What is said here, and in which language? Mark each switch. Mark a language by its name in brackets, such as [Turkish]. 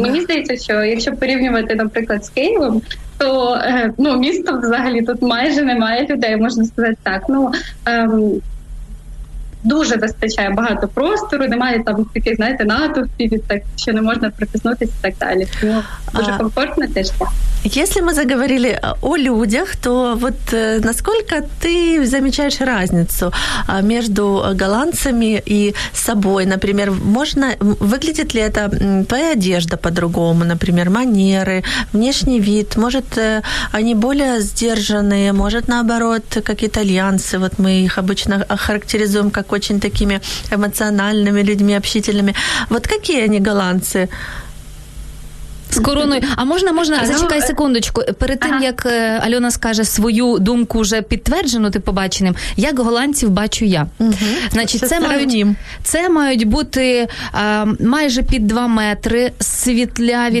[Ukrainian] мені здається, що якщо порівнювати, наприклад, з Києвом, то ну, місто взагалі тут майже немає людей, можна сказати так. Ну, дуже вистачає багато простору, немає там таких, знаєте, натовпів, так що не можна притиснутися і так далі. Тому дуже комфортно теж так. [Russian] Если мы заговорили о людях, то вот насколько ты замечаешь разницу между голландцами и собой? Например, можно выглядит ли это твоя одежда по-другому? Например, манеры, внешний вид? Может, они более сдержанные? Может, наоборот, как итальянцы? Вот мы их обычно охарактеризуем как очень такими эмоциональными людьми, общительными. Вот какие они голландцы? [Ukrainian] З короною. А можна, можна, зачекай секундочку. Перед тим, як Альона скаже свою думку вже підтверджену, ти побаченим, як голландців бачу я. Угу. Значить, це мають бути майже під 2 метри, світляві